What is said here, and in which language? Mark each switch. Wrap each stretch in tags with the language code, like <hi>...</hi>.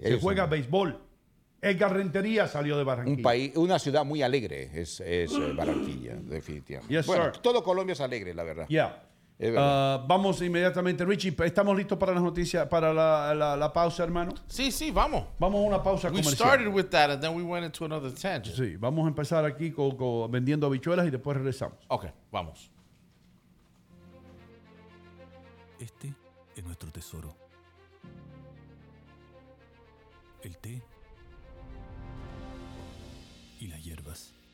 <es>se juega béisbol. Edgar Rentería salió de Barranquilla. Un país, una ciudad muy alegre es Barranquilla, definitivamente.</es> <en>Yes,</en> <es>bueno,</es> <en>sir.</en> <es>Todo Colombia es alegre, la verdad. Yeah. Verdad. Vamos inmediatamente. Richie, ¿estamos listos para las noticias, para la pausa, hermano? Sí, sí, vamos. Vamos a una pausa comercial.</es> <en>We started with that and then we went into another tangent.</en> <es>Sí, vamos a empezar aquí con vendiendo habichuelas y después regresamos. Ok, vamos. Este es nuestro tesoro. El té. Y las hierbas.</es>